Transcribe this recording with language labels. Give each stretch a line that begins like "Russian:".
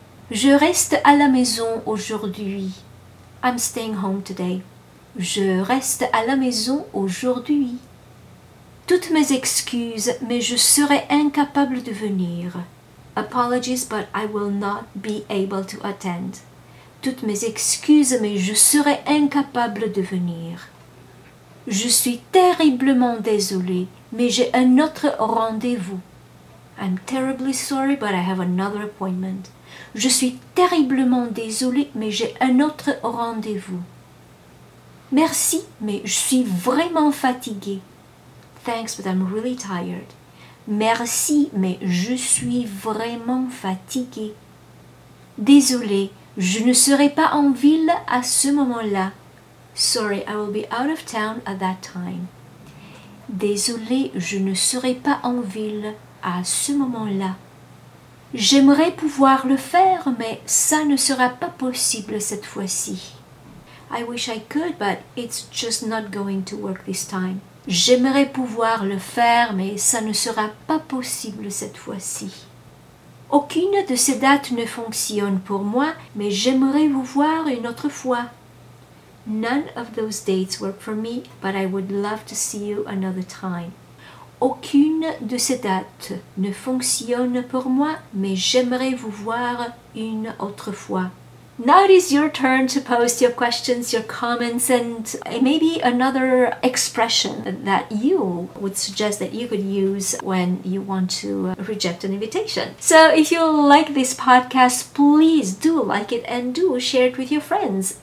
French: Je reste à la maison aujourd'hui.
English: I'm staying home today.
French: Je reste à la maison aujourd'hui. Toutes mes excuses, mais je serai incapable de venir.
English: Apologies, but I will not be able to attend.
French: Toutes mes excuses, mais je serai incapable de venir. Je suis terriblement désolée, mais j'ai un autre rendez-vous.
English: I'm terribly sorry, but I have another appointment.
French: Je suis terriblement désolée, mais j'ai un autre rendez-vous. Merci, mais je suis vraiment fatiguée.
English: Thanks, but I'm really tired.
French: Merci, mais je suis vraiment fatiguée. Désolée, je ne serai pas en ville à ce moment-là.
English: Sorry, I will be out of town at that time.
French: Désolée, je ne serai pas en ville à ce moment-là. J'aimerais pouvoir le faire, mais ça ne sera pas possible cette fois-ci.
English: I wish I could, but it's just not going to work this time.
French: J'aimerais pouvoir le faire, mais ça ne sera pas possible cette fois-ci. Aucune de ces dates ne fonctionne pour moi, mais j'aimerais vous voir une autre fois.
English: None of those dates work for me, but I would love to see you another time.
French: Aucune de ces dates ne fonctionne pour moi, mais j'aimerais vous voir une autre fois.
English: Now it is your turn to post your questions, your comments, and maybe another expression that you would suggest that you could use when you want to reject an invitation. So if you like this podcast, please do like it and do share it with your friends.